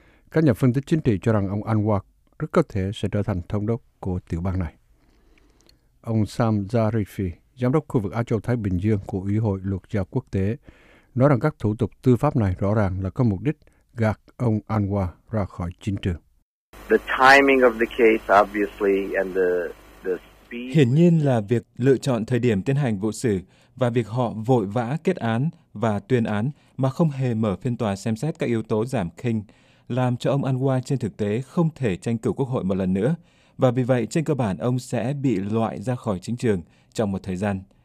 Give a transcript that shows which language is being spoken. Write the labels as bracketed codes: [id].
[vi] Các nhà phân tích chính trị cho rằng ông Anwar rất có thể sẽ trở thành thống đốc của tiểu bang này. Ông Sam Zarifi, giám đốc khu vực Á Châu-Thái Bình Dương của Ủy hội Luật gia Quốc tế, nói rằng các thủ tục tư pháp này rõ ràng là có mục đích gạt ông Anwar ra khỏi chính trường. [en] The timing of the case, obviously, and the speed. [vi] Hiển nhiên là việc lựa chọn thời điểm tiến hành vụ xử và việc họ vội vã kết án và tuyên án mà không hề mở phiên tòa xem xét các yếu tố giảm khinh làm cho ông Anwar trên thực tế không thể tranh cử quốc hội một lần nữa, và vì vậy trên cơ bản ông sẽ bị loại ra khỏi chính trường trong một thời gian.